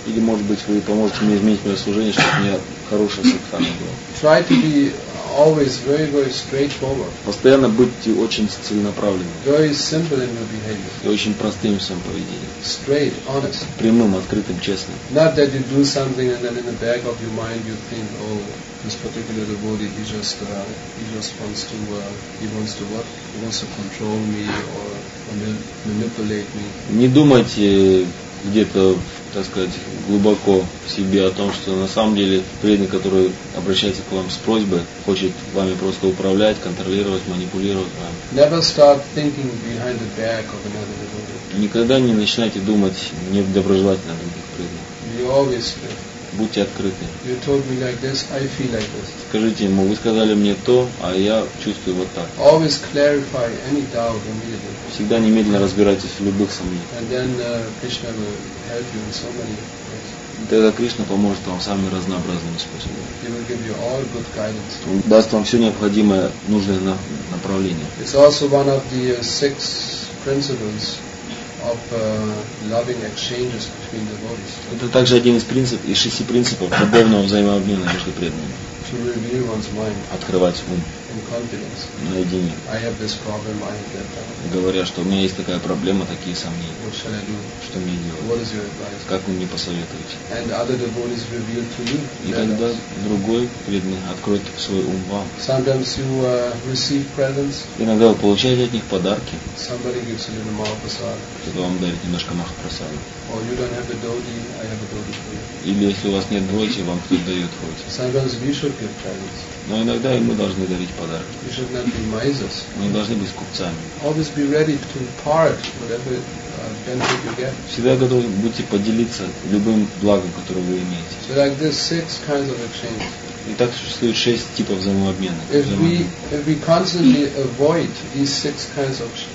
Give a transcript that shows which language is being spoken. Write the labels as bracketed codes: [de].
[ru] Или может быть вы поможете мне изменить мое служение, чтобы у меня хорошая садхана была? [en] Try to be always very, very straightforward. [ru] Постоянно будьте очень целенаправленным. [en] Very simple in your behavior. [ru] И очень простым в своем поведении. [en] Straight, honest. [ru] Прямым, открытым, честным. [en] Not that you do something and then in the back of your mind you think, oh, this particular devotee, he wants to control me or manipulate me. [ru] Не думайте где-то, так сказать, глубоко в себе о том, что на самом деле преданный, который обращается к вам с просьбой, хочет вами просто управлять, контролировать, манипулировать вами. [en] Never start thinking behind the back of another devotee. [ru] Никогда не начинайте думать недоброжелательно о других преданных. Будьте открыты. [en] You told me like this, I feel like this. [ru] Скажите ему, вы сказали мне то, а я чувствую вот так. [en] Always clarify any doubt immediately. [ru] Всегда немедленно разбирайтесь в любых сомнениях. [en] And then Krishna will help you in so many ways. [ru] Тогда Кришна поможет вам самыми разнообразными способами. [en] He will give you all good guidance. [ru] Он даст вам все необходимое, нужное направление. [en] It's also one of the six principles of loving exchanges between devotees. [ru] Это также один из принципов, из шести принципов любовного взаимообмена между преданными. [en] To reveal one's mind. [ru] Открывать ум. [en] In confidence. [ru] Наедине. [en] I have this problem, I have that problem. [ru] Говоря, что у меня есть такая проблема, такие сомнения. [en] What shall I do? [ru] Что мне делать? [en] What is your advice? [ru] Как вы мне посоветуете? [en] And other devotees reveal to you. [ru] И тогда другой преданный откроет свой ум вам. [en] Sometimes you receive presents. [ru] Иногда вы получаете от них подарки. [en] Somebody gives a little Mahaprasad. [ru] Кто-то вам дарит немножко Махапрасада. [en] Or you don't have a dhoti, I have a dhoti for you. [ru] Или если у вас нет дхоти, вам кто-то дает дхоти. [en] Sometimes we should give presents. [ru] Но иногда и мы должны дарить подарки. [en] We should not be misers. [ru] Мы не должны быть скупцами. [en] Always be ready to impart whatever benefit you get. [ru] Всегда готовы будьте поделиться любым благом, которое вы имеете. [en] So like there's six kinds of exchange. [ru] И так существует шесть типов взаимообмена. [en] If we constantly avoid these six kinds of